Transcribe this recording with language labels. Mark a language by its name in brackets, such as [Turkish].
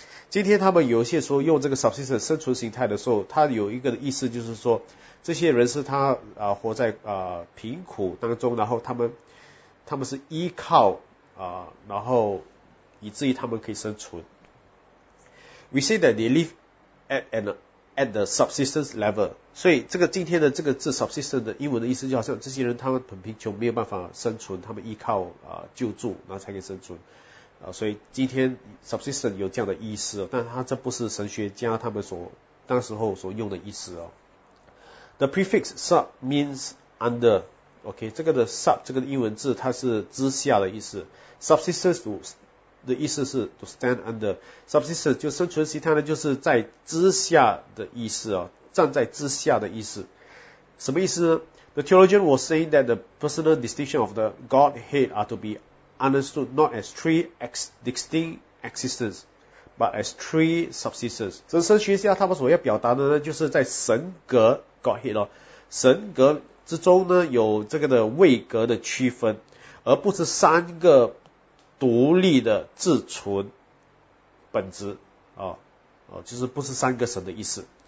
[Chinese] 今天他们有些说用这个 subsistence 生存形态的时候，它有一个意思就是说，这些人是他活在贫苦当中，然后他们是依靠然后以至于他们可以生存。 [English] We say that they live at the subsistence level. [Chinese] 所以这个今天的这个字 subsistence 的英文的意思就好像这些人他们很贫穷，没有办法生存，他们依靠救助然后才可以生存。所以今天 subsistence 有这样的意思，但它这不是神学家他们所当时候所用的意思哦。 [English] The prefix sub means under. Okay, [Chinese] 这个的 sub 这个英文字它是之下的意思。 Subsistence的意思是 [English] to stand under. [Chinese] Subsistence 就生存形态呢，就是在之下的意思哦，站在之下的意思。什么意思呢？ [English] The theologian was saying that the personal distinction of the Godhead are to be understood not as three distinct existences, but as three subsistences. [Chinese] 这神学家他们所要表达的呢，就是在神格 Godhead 哦，神格之中呢有这个的位格的区分，而不是三个独立的自存本质就是不是三个神的意思。